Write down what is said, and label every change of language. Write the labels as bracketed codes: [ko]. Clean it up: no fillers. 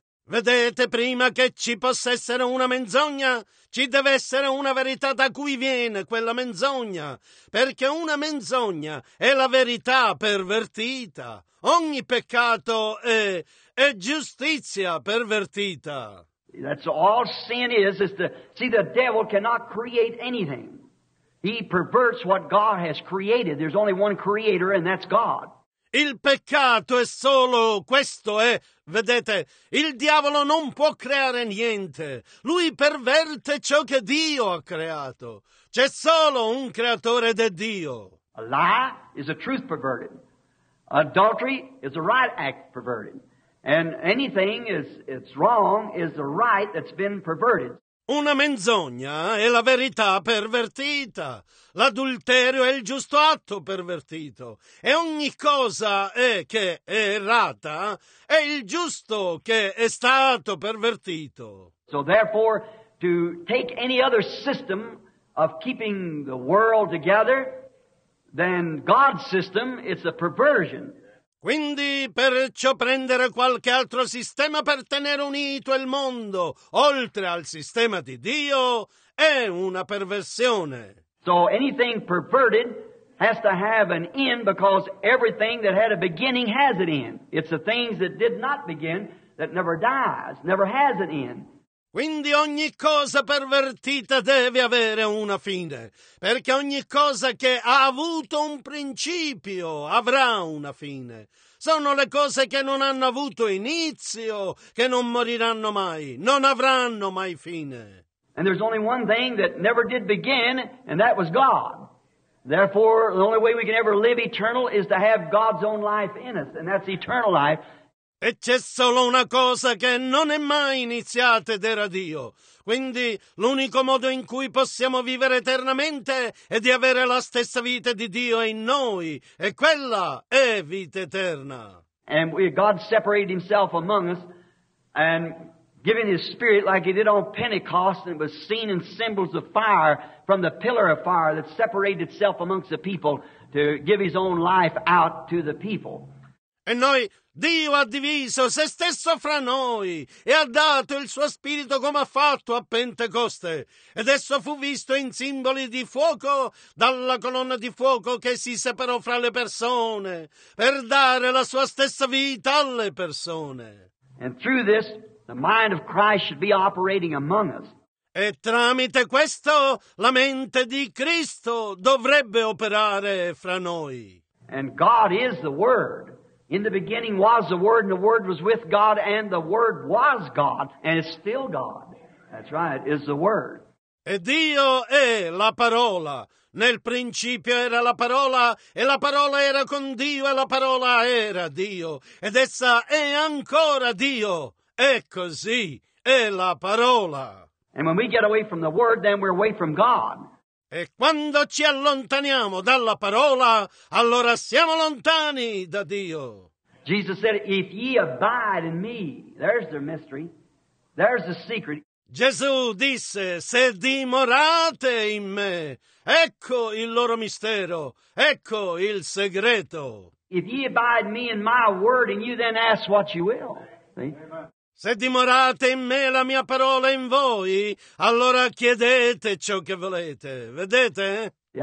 [it] Vedete, prima che ci possa essere una menzogna, ci deve essere una verità da cui viene quella menzogna. Perché una menzogna è la verità pervertita. Ogni peccato è giustizia pervertita. [en] That's all sin is to see the devil cannot create anything. He perverts what God has created. There's only one creator, and that's God. [it] Il peccato è solo questo, eh? Vedete, il diavolo non può creare niente. Lui perverte ciò che Dio ha creato. C'è solo un creatore ed è Dio. [en] A lie is a truth perverted. Adultery is a right act perverted. And anything it's wrong is the right that's been perverted. [it] Una menzogna è la verità pervertita. L'adulterio è il giusto atto pervertito. E ogni cosa che è errata è il giusto che è stato pervertito. [en] So therefore, to take any other system of keeping the world together than God's system, it's a perversion. [it] Quindi, perciò prendere qualche altro sistema per tenere unito il mondo, oltre al sistema di Dio, è una perversione. [en] So anything perverted has to have an end, because everything that had a beginning has an end. It's the things that did not begin that never dies, never has an end. [it] Quindi ogni cosa pervertita deve avere una fine, perché ogni cosa che ha avuto un principio avrà una fine. Sono le cose che non hanno avuto inizio, che non moriranno mai, non avranno mai fine. [en] And there's only one thing that never did begin, and that was God. Therefore, the only way we can ever live eternal is to have God's own life in us, and that's eternal life. [it] E c'è solo una cosa che non è mai iniziata ed era Dio. Quindi l'unico modo in cui possiamo vivere eternamente è di avere la stessa vita di Dio in noi, e quella è vita eterna. [en] And God separated himself among us and giving his spirit like he did on Pentecost, and it was seen in symbols of fire from the pillar of fire that separated itself amongst the people to give his own life out to the people. [it] E noi, Dio ha diviso se stesso fra noi e ha dato il suo spirito come ha fatto a Pentecoste. Ed esso fu visto in simboli di fuoco dalla colonna di fuoco che si separò fra le persone per dare la sua stessa vita alle persone. [en] And through this, the mind of Christ should be operating among us. [it] E tramite questo, la mente di Cristo dovrebbe operare fra noi. [en] And God is the Word. In the beginning was the Word, and the Word was with God, and the Word was God, and is still God. That's right, is the Word. [it] E Dio è la parola. Nel principio era la parola, e la parola era con Dio, e la parola era Dio. Ed essa è ancora Dio. È così, è la parola. [en] And when we get away from the Word, then we're away from God. [it] E quando ci allontaniamo dalla parola, allora siamo lontani da Dio. [en] Jesus said, if ye abide in me, there's the mystery, there's the secret. [it] Gesù disse, se dimorate in me, ecco il loro mistero, ecco il segreto. [en] If ye abide me in my word, and you then ask what you will. See? [it] Se dimorate in me la mia parola in voi, allora chiedete ciò che volete. Vedete?